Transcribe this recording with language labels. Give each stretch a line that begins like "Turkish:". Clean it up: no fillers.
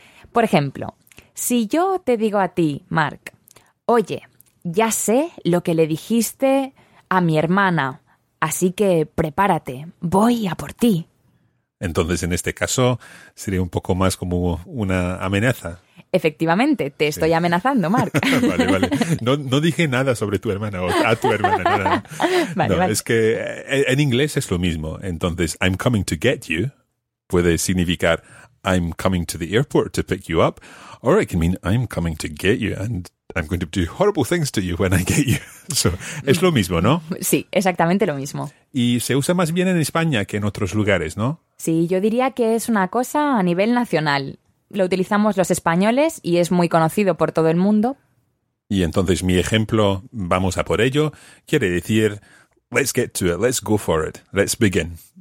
Spanish: Por ejemplo, si yo te digo a ti, Mark, oye, ya sé lo que le dijiste a mi hermana, así que prepárate, voy a por ti. Entonces, en este caso, sería un poco más como una amenaza. Efectivamente, te estoy amenazando, Mark. Vale, vale. No, no dije nada sobre tu hermana o a tu hermana. No, no. Vale, no, vale. Es que en inglés es lo mismo.
English: Entonces, I'm coming to get you
Spanish: puede significar
English: I'm coming to the airport to pick you up. Or it can mean I'm coming to get you and I'm going to do horrible things to you when I get you.
Spanish: So, es lo mismo, ¿no? Sí, exactamente lo mismo. Y se usa más bien en España que en otros lugares, ¿no? Sí, yo diría que es una cosa a nivel nacional. Lo utilizamos los españoles y es muy conocido por todo el mundo. Y entonces mi ejemplo, vamos a por ello, quiere decir,
English: let's get to it, let's go for it, let's begin.